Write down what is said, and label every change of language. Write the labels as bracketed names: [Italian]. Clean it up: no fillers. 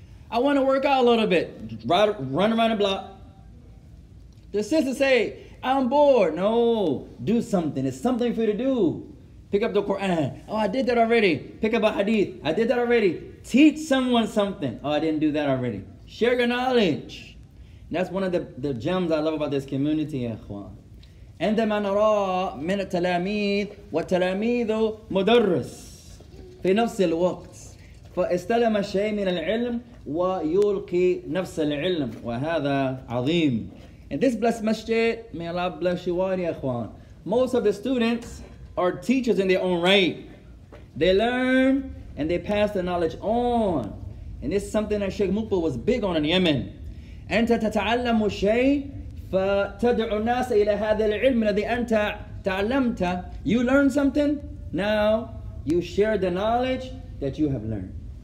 [English] I want to work out a little bit, run around the block. The sisters say, I'm bored. No, do something. It's something for you to do. Pick up the Quran. Oh, I did that already. Pick up a hadith. I did that already. Teach someone something. Oh, I didn't do that already. Share your knowledge. And that's one of the gems I love about this community, Ikhwan. [Arabic] عندما نرى من التلاميذ والتلاميذ مدرس في نفس الوقت فاستلم شيء من العلم وَيُلْقِي نَفْسَ الْعِلْمِ وَهَذَا عَظِيمٌ [English] In this blessed masjid, may Allah bless you all, ya akhwan. Most of the students are teachers in their own right. They learn and they pass the knowledge on. And this is something that Sheikh Mukbil was big on in Yemen. [Arabic] أَنْتَ تَتَعَلَّمُ شَيْءٍ فَتَدْعُ النَّاسَ إِلَى هَذَا الْعِلْمِ الَّذِي أَنْتَ تَعَلَّمْتَ [English] You learn something, now you share the knowledge that you have learned.